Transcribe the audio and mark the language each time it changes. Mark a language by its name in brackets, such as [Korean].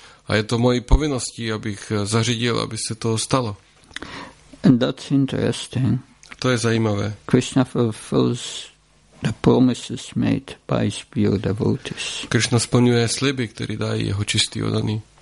[Czech] A je to mojí povinností, abych zařídil, aby se to stalo. [English] And that's interesting. [Czech] To je zajímavé. [English] Krishna fulfills the promises made by his pure devotees. [Czech] Krishna splňuje sliby, které dají jeho čistý oddaný.